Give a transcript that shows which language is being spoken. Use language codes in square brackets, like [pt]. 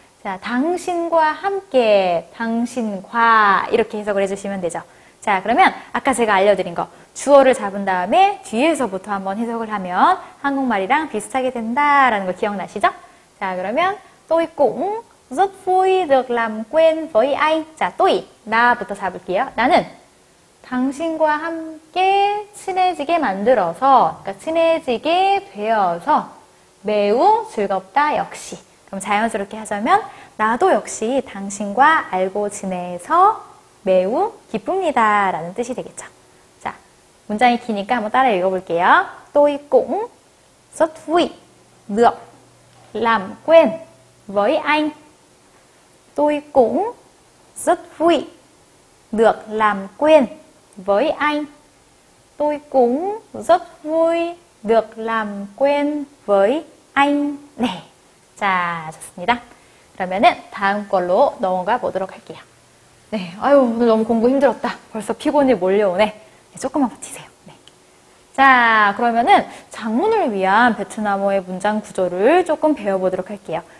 [ko] 자, 당신과 함께, 당신과 이렇게 해석을 해주시면 되죠. 자, 그러면 아까 제가 알려드린 거 주어를 잡은 다음에 뒤에서부터 한번 해석을 하면 한국말이랑 비슷하게 된다라는 거 기억나시죠? 자, 그러면 또 있고 [vi] Rất vui được làm quen với anh. [ko] 자, 또이. 나부터 잡을게요. 나는 당신과 함께 친해지게 만들어서, 그러니까 친해지게 되어서 매우 즐겁다, 역시. 그럼 자연스럽게 하자면 나도 역시 당신과 알고 지내서 매우 기쁩니다 라는 뜻이 되겠죠. 자, 문장이 기니까 한번 따라 읽어볼게요. [vi] 또이 꽁 Rất vui được làm quen với anh. Tôi cũng rất vui được làm quen với anh. Tôi cũng rất vui được làm quen với anh. [ko] 네. 자, 좋습니다. 그러면은 다음 걸로 넘어가 보도록 할게요. 네. 아유, 오늘 너무 공부 힘들었다. 벌써 피곤이 몰려오네. 네, 조금만 버티세요. 자, 그러면은 장문을 위한 베트남어의 문장 구조를 조금 배워보도록 할게요.